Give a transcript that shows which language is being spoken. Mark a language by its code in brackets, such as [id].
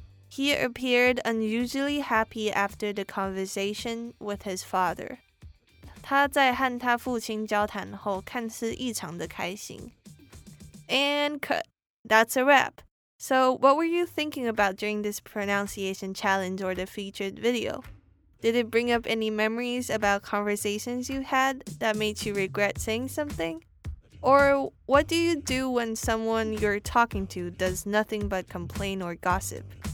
[en] He appeared unusually happy after the conversation with his father. [zh] 他在和他父亲交谈后看似异常的开心。 [en] And cut. That's a wrap. So what were you thinking about during this pronunciation challenge or the featured video? Did it bring up any memories about conversations you had that made you regret saying something? Or what do you do when someone you're talking to does nothing but complain or gossip?